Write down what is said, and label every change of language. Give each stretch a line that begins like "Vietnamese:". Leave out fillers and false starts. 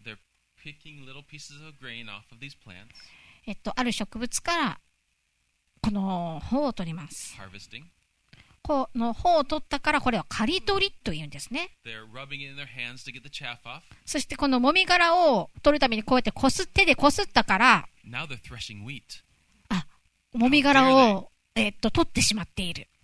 English: They're picking little pieces of grain off of these plants.
Japanese: ある植物からこの穂を取ります。
English: Harvesting.
Japanese: この穂を取ったからこれを刈り取りというんですね。
English: They're rubbing it in their hands to get the chaff off.
Japanese: そしてこのもみ殻を取るためにこうやってこす手でこすったから、
English: Now they're threshing wheat.
Japanese: あ、もみ殻を取ってしまっている。